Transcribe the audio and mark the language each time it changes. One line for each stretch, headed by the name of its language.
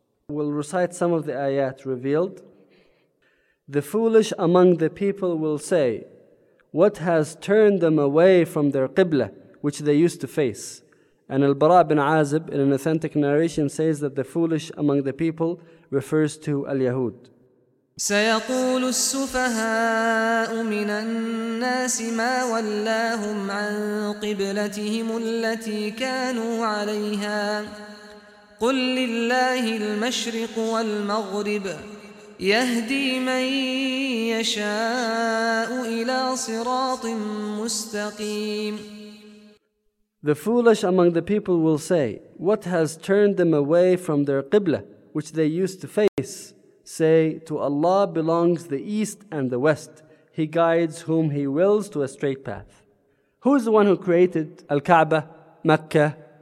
English: We'll recite some of the ayat revealed. The foolish among the people will say, what has turned them away from their Qibla, which they used to face? And Al-Bara' bin Azib, in an authentic narration, says that the foolish among the people refers to Al-Yahud.
Arabic: سيقول السفهاء من الناس ما ولاهم عن قبلتهم التي كانوا عليها قل لله المشرق والمغرب يهدي من يشاء إلى صراط مستقيم.
English: The foolish among the people will say, what has turned them away from their qibla, which they used to face? Say, to Allah belongs the east and the west. He guides whom He wills to a straight path. Who is the one who created Al-Kaaba, Mecca?